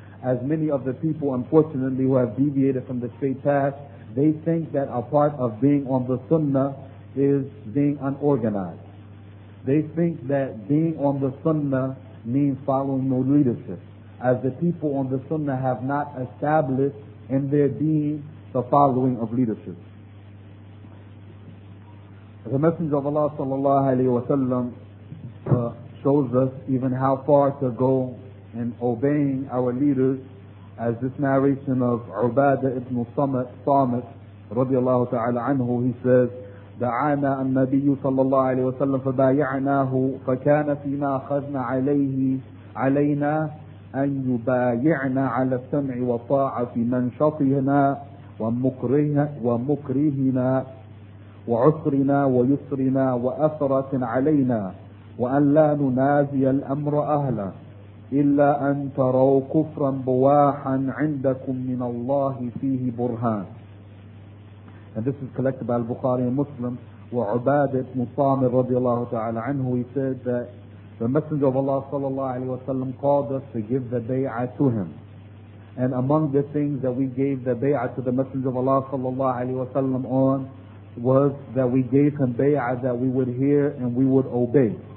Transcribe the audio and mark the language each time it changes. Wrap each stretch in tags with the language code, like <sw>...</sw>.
<en>As many of the people, unfortunately, who have deviated from the straight path, they think that a part of being on the sunnah is being unorganized. They think that being on the sunnah means following no leadership, as the people on the sunnah have not established in their deen the following of leadership. The Messenger of Allah sallallahu alayhi wa sallam shows us even how far to go in obeying our leaders, as this narration of Ubadah ibn Samit radiallahu ta'ala anhu, he says,</en> <ar>دعانا النبي صلى الله عليه وسلم فبايعناه فكان فيما أخذنا عليه علينا أن يبايعنا على السمع والطاعة في منشطنا ومكرهنا وعسرنا ويسرنا وأثرة علينا وأن لا ننازي الأمر أهلا إلا أن تروا كفرا بواحا عندكم من الله فيه برهان.</ar> <en>And this is collected by al-Bukhari and Muslim.</en> <ar>وَعُبَادِ ابْنُ صَامِرْ رَضِيَ اللَّهُ تَعَالَى عَنْهُ.</ar> <en>He said that the Messenger of Allah sallallahu alayhi wa sallam called us to give the bay'ah to him. And among the things that we gave the bay'ah to the Messenger of Allah sallallahu alayhi wa sallam on was that we gave him bay'ah that we would hear and we would obey.</en>